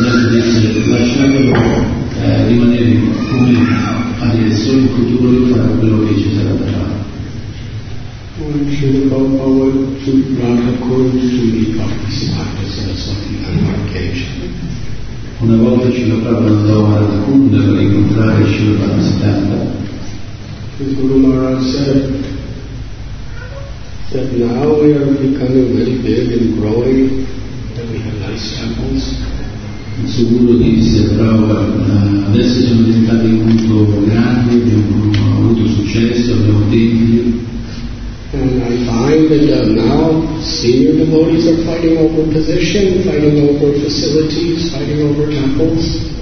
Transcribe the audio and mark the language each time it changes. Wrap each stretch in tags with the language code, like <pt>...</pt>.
<it>Disse: lasciatelo rimanere come adesso, in futuro lui farà quello che ci sarà da fare.</it> <en>When Srila Prabhupada went to Radhakur to meet Bhaktisiddhanta Saraswati on one occasion.</en> <it>Una volta Srila Prabhupada andò a Radhakur per incontrare Srila Bhaktisiddhanta.</it> <en>The Guru Maharaj said that now we are becoming very big and growing and we have nice temples.</en> <it>Il suo guru disse: Prabhupada, adesso siamo diventati molto grandi, abbiamo avuto successo, abbiamo tempi.</it> <en>And I find that now senior devotees are fighting over position, fighting over facilities, fighting over temples.</en>